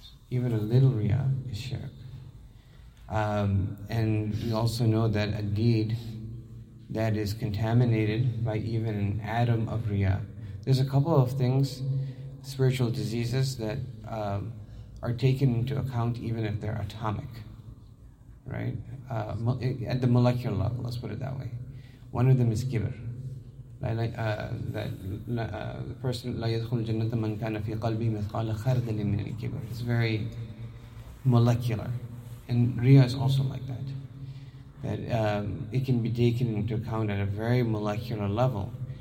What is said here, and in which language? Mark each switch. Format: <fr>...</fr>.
<en>Even a little riya is shirk. And we also know that a deed that is contaminated by even an atom of riya. There's a couple of things, spiritual diseases, that are taken into account even if they're atomic, right? At the molecular level, let's put it that way. One of them is kibr.</en> <ar>The person, لا يدخل الجنة من كان في قلبي مثقال خردل من الكبر.</ar> <en>It's very molecular. And Riya is also like that. That it can be taken into account at a very molecular level.</en>